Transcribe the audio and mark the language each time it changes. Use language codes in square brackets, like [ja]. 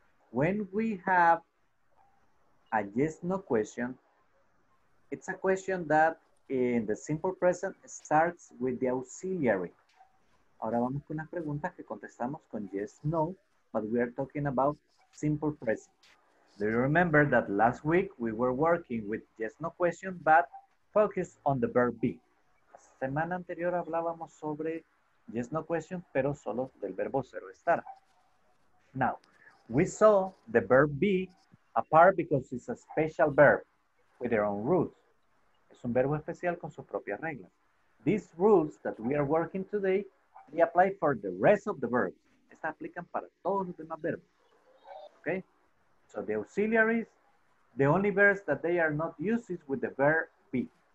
[en] When we have a yes, no question, it's a question that in the simple present starts with the auxiliary. [es] Ahora vamos con una pregunta que contestamos con yes, no, [en] but we are talking about simple present. Do you remember that last week we were working with yes, no question, but focus on the verb be? [es] La semana anterior hablábamos sobre yes, no question, pero solo del verbo ser o estar. [en] Now, we saw the verb be apart because it's a special verb. with their own rules. [es] Es un verbo especial con sus propias reglas. [en] These rules that we are working today, they apply for the rest of the verbs. [es] Estas aplican para todos los demás verbos. [en] Okay? So the auxiliaries, the only verbs that they are not used is with the verb be.